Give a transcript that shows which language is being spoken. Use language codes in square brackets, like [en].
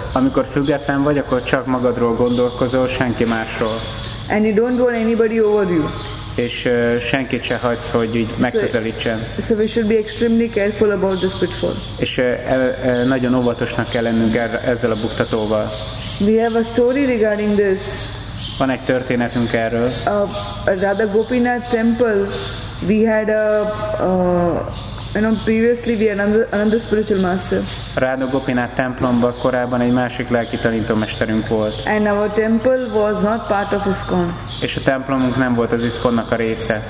[hu] Amikor független vagy, akkor csak magadról gondolkozol, senki másról. [en] And you don't want anybody over you. [hu] És senkit se hagysz, hogy így megközelítsen. [en] So we should be extremely careful about this pitfall. [hu] És nagyon óvatosnak kell lennünk ezzel a buktatóval. [en] We have a story regarding this. [hu] Van egy történetünk erről. [en] At the Gopinath temple, we had a previously we had another spiritual master. [hu] Radha Gopinath templomban korábban egy másik lelki tanító mesterünk volt. [en] And our temple was not part of ISKCON. [hu] És a templomunk nem volt az ISKCON-nak a része.